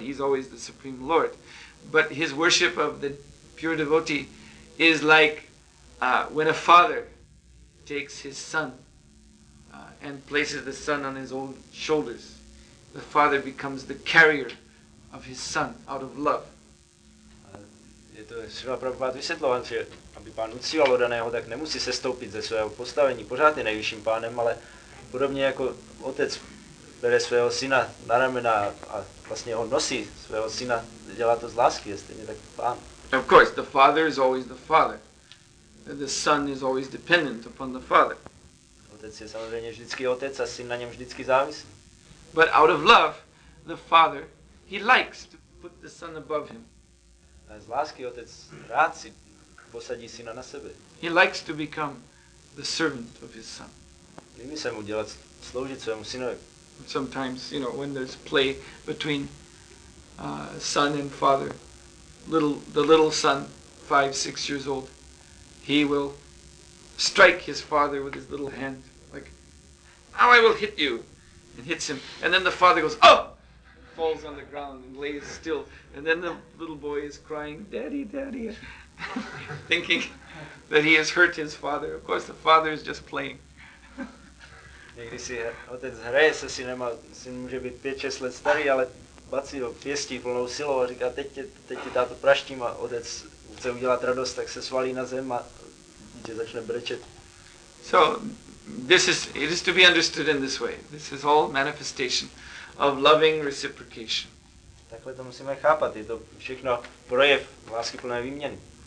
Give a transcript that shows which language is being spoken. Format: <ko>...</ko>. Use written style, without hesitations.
<en>He's always the Supreme Lord. But his worship of the pure devotee is like when a father takes his son and places the son on his own shoulders. The father becomes the carrier of his son out of love.</en> <cs>Je to Srila Prabhupada vysvětlovat, že aby pán uctíval odaného, tak nemusí sestoupit ze svého postavení, pořád je nejvyšším pánem, ale podobně jako otec bere svého syna na ramena a vlastně ho nosí svého syna, dělá to z lásky, je stejně tak pán.</cs> <en>Of course, the father is always the father. The son is always dependent upon the father.</en> <cs>Otec je samozřejmě vždycky otec a syn na něm vždycky závisí.</cs> <en>But out of love, the father, he likes to put the son above him.</en> <cs>A z lásky otec rád si posadí syna na sebe.</cs> <en>He likes to become the servant of his son.</en> <cs>Líbí se mu dělat, sloužit svému synovi.</cs> <en>Sometimes, you know, when there's play between son and father, the little son, 5-6 years old, he will strike his father with his little hand, like, now I will hit you, and hits him. And then the father goes, oh! Falls on the ground and lays still, and then the little boy is crying, "Daddy, Daddy," thinking that he has hurt his father. Of course, the father is just playing.</en> <cs>Někdy si otec hraje se synem, syn může být 5-6 let starý, ale bací ho pěstí plnou silou a říká, teď tě tato praštím, a otec chce udělat radost, tak se svalí na zem a dítě začne brečet.</cs> <en>So, it is to be understood in this way. This is all manifestation of loving reciprocation.</en> <cs>Takhle to musíme chápat, je to všechno projev láskyplné výměny.</cs>